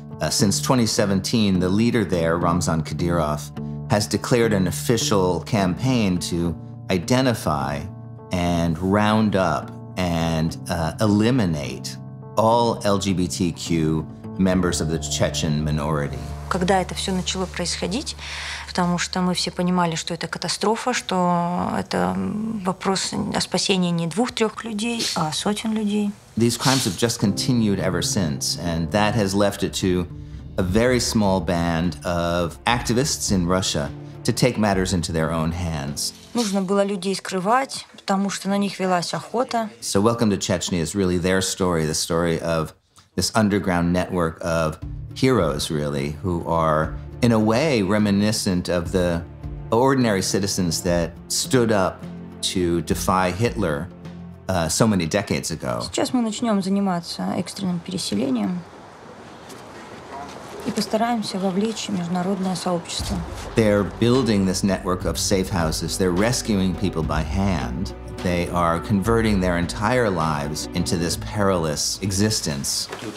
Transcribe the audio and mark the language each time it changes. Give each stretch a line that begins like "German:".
English: Since 2017, the leader there, Ramzan Kadyrov, has declared an official campaign to identify and round up and eliminate all LGBTQ members of the Chechen minority.
Russian: Когда это все начало происходить, потому что мы все понимали, что это катастрофа, что это вопрос о спасении не двух-трех людей, а сотен людей.
English: These crimes have just continued ever since, and that has left it to a very small band of activists in Russia to take matters into their own hands.
Russian: Нужно было людей скрывать, потому что на них велась охота.
English: So Welcome to Chechnya is really their story, the story of this underground network of heroes, really, who are in a way reminiscent of the ordinary citizens that stood up to defy Hitler so many decades ago.
Russian: Сейчас мы начнем заниматься экстренным переселением и постараемся вовлечь международное сообщество.
English: They're building this network of safe houses. They're rescuing people by hand. They are converting their entire lives into this perilous existence.